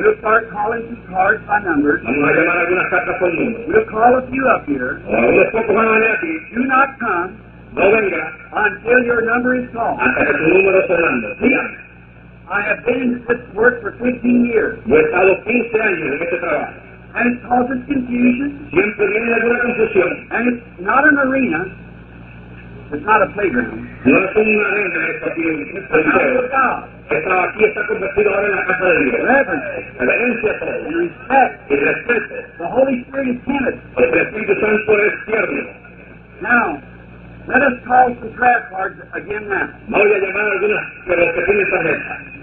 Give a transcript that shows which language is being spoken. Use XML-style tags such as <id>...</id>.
<en>We'll start calling some cards by numbers.</en> <es>Vamos a llamar algunas cartas por número.</es> <en>We'll call a few up here.</en> <es>Unos pocos van a venir aquí.</es> <en>Do not come.</en> <es>No venga.</es> <en>Until your number is called.</en> <es>Hasta que tu número se llame.</es> <en>See, I have been in this work for 15 years.</en> <es>Yo he estado 15 años en este trabajo.</es> <en>And it causes confusion.</en> <es>Siempre viene alguna confusión.</es> <en>And it's not an arena. It's not a playground.</en> <es>No es una arena, es aquí un</es> <en>playground.</en> <es>Está aquí, está convertido ahora en la casa de Dios.</es> <en>Reverence.</en> <es>Reverencia a todos. Respect. Y respeto.</es> <en>The Holy Spirit is timid.</en> <es>El Espíritu Santo es tierno.</es> <en>Now, let us call some prayer cards again now.</en> <es>Voy a llamar algunas, pero que tienen tarjeta.</es>